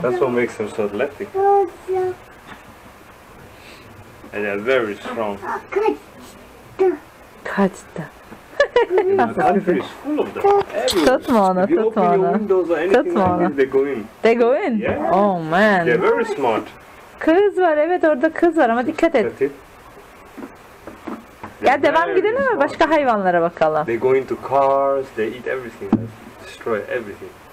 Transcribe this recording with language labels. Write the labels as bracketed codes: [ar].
[en] That's what makes them so athletic. And they're very strong. [tr] Kaçtı. [en] The country is full of them. Everyone. If you open your windows or anything, they go in. They go in? Yeah. Oh man. They're very smart. [tr] Kız var, evet orada kız var ama dikkat et. Ya devam gidelim mi? Başka hayvanlara bakalım. [en] They go into cars, they eat everything, destroy everything.